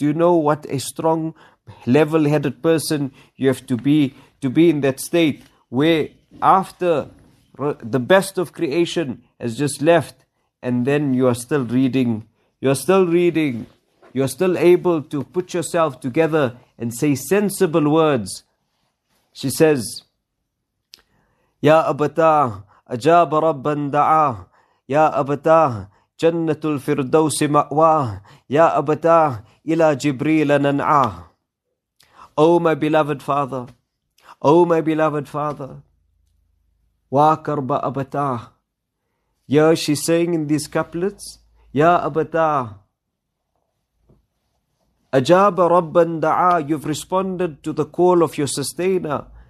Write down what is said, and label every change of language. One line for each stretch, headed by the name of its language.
English: Do you know what a strong, level-headed person you have to be in that state where after the best of creation has just left, and then you are still reading, you are still able to put yourself together and say sensible words. She says,
Arabic: Ya Abata, أجاب ربا دعاه يا أبتاه جنة الفردوس مأواه يا أبتاه إلى جبريل ننعاه.
English: Oh my beloved father, oh my beloved father,
Arabic: واكرب أبتاه.
English: Yeah, she's saying in these couplets,
Arabic: يا أبتاه أجاب ربا دعاه,
English: you've responded to the call of your sustainer.